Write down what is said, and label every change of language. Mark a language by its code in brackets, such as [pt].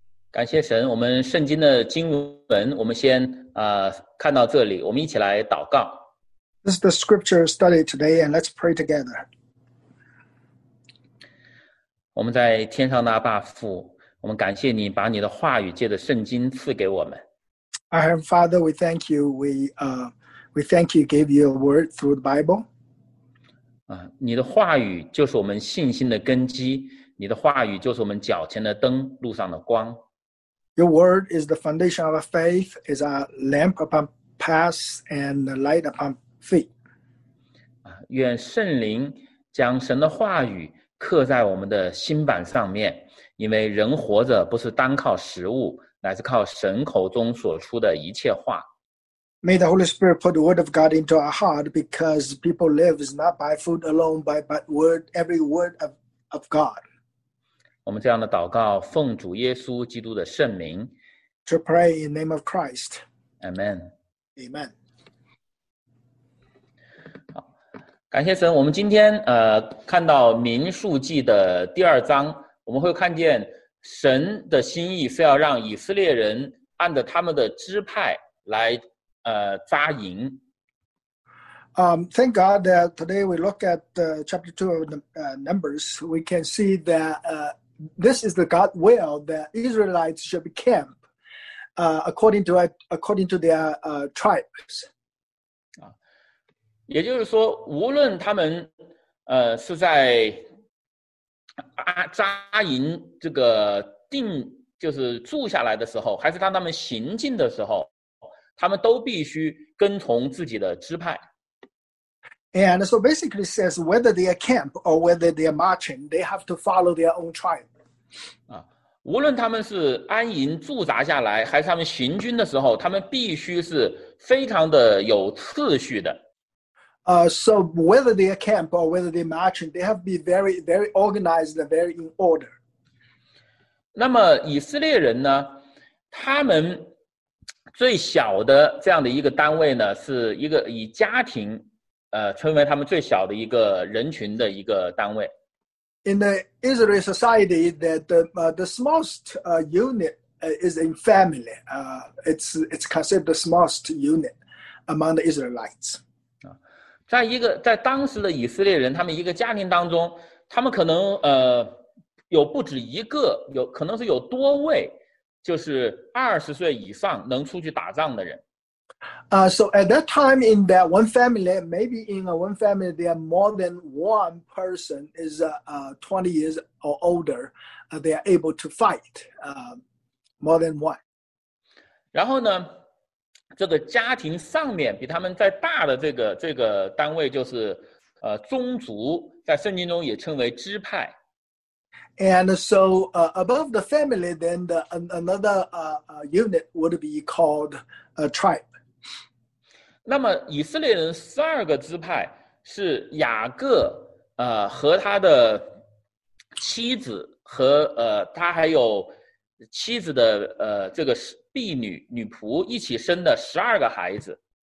[zh] 感谢神，我们圣经的经文，我们先看到这里，我们一起来祷告。 [en] This is the scripture study today, and let's pray together. [zh] 我们在天上的阿爸父，我们感谢你把你的话语借着圣经赐给我们。 [en] Our Heavenly Father, we thank you. We thank you. Gave you a word through the Bible. [zh] 你的话语就是我们信心的根基，你的话语就是我们脚前的灯，路上的光。 [en] Your word is the foundation of our faith, is our lamp upon path and the light upon feet. [zh] 愿圣灵将神的话语刻在我们的心板上面，因为人活着不是单靠食物，乃是靠神口中所出的一切话。 [en] May the Holy Spirit put the word of God into our heart, because people live is not by food alone, but word, every word of God. [zh] 我们这样的祷告，奉主耶稣基督的圣名。 [en] To pray in name of Christ. Amen. Amen. [zh] 好，感谢神。我们今天看到民数记的第二章，我们会看见神的心意是要让以色列人按着他们的支派来扎营。 [en] Thank God that today we look at chapter 2 of Numbers, we can see that. This is the God will that Israelites should camp according to their tribes. [zh] 也就是说，无论他们是在扎营这个定就是住下来的时候，还是当他们行进的时候，他们都必须跟从自己的支派。 [en] And so basically says whether they are camp or whether they are marching, they have to follow their own tribe. [zh] 无论他们是安营驻扎下来还是他们行军的时候，他们必须是非常的有次序的。 [en] So whether they are camp or whether they marching, they have to be very, very organized, very in order. [zh] 那么以色列人呢，他们最小的这样的一个单位呢，是一个以家庭称为他们最小的一个人群的一个单位。 [en] In the Israeli society, that the smallest unit is in family. It's considered the smallest unit among the Israelites. [zh] 在当时的以色列人，他们一个家庭当中，他们可能有不止一个，有可能是有多位，就是20岁以上能出去打仗的人。 [en] So at that time in that one family, maybe in a one family, there are more than one person is 20 years or older, they are able to fight, more than one. [zh] 然后呢，这个家庭上面比他们再大的这个单位就是宗族，在圣经中也称为支派。 [en] And so above the family, then the another unit would be called a tribe. [zh] 那么以色列人12个支派是雅各和他的妻子和他还有妻子的这个婢女女仆一起生的12个孩子。